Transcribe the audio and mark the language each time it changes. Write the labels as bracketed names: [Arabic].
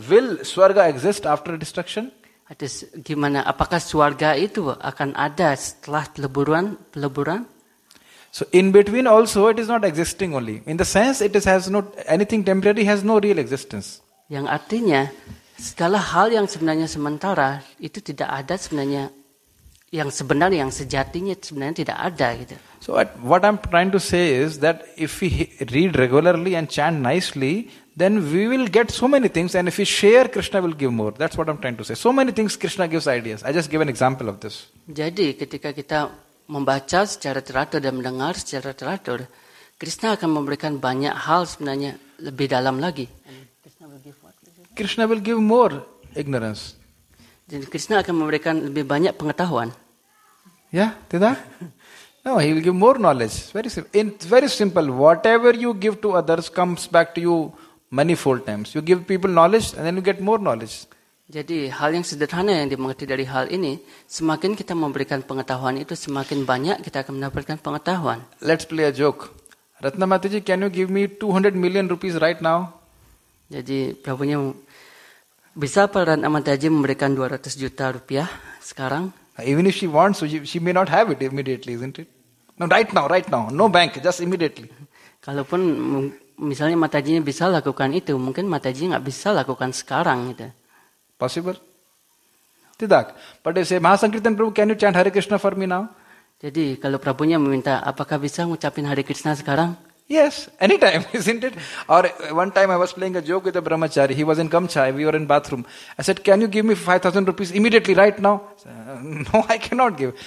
[English] Will Swarga exist after destruction? [Indonesian] Atas gimana? Apakah Swarga itu akan ada setelah peleburan? [English] So in between also it is not existing only. In the sense it is has no anything temporary has no real existence. [Indonesian] Yang artinya segala hal yang sebenarnya sementara itu tidak ada sebenarnya. Yang sebenarnya, yang sejatinya sebenarnya tidak ada gitu. [English] So what I'm trying to say is that if we read regularly and chant nicely, then we will get so many things, and if we share, Krishna will give more. That's what I'm trying to say. So many things Krishna gives ideas. I just give an example of this. [Indonesian] Jadi ketika kita membaca secara teratur dan mendengar secara teratur, Krishna akan memberikan banyak hal sebenarnya lebih dalam lagi. [English] Krishna will give more ignorance. [Indonesian] Jadi Krishna akan memberikan lebih banyak pengetahuan. Ya, tidak? [English] No, he will give more knowledge. Very simple. It's very simple. Whatever you give to others comes back to you manifold times. You give people knowledge and then you get more knowledge. [Indonesian] Jadi hal yang sederhana yang dimengerti dari hal ini, semakin kita memberikan pengetahuan itu, semakin banyak kita akan mendapatkan pengetahuan. [English] Let's play a joke. Ratna Mataji, can you give me 200 million rupees right now? [Indonesian] Jadi Prabhunya, bisa Pak Ratna Mataji memberikan 200 juta rupiah sekarang? [English] Even if she wants, she may not have it immediately, isn't it? No, right now. No bank, just immediately. [Indonesian] Kalaupun misalnya Matajinya bisa lakukan itu, mungkin Matajinya enggak bisa lakukan sekarang. Gitu. [English] Possible? [Indonesian] Tidak. [English] But they say, Mahasankirtan Prabhu, can you chant Hare Krishna for me now? [Indonesian] Jadi kalau Prabhunya meminta, apakah bisa ngucapin Hare Krishna sekarang? [English] Yes, anytime, isn't it? Or one time I was playing a joke with a brahmachari. He was in Gamcha, we were in bathroom. I said, can you give me 5,000 rupees immediately, right now? No, I cannot give.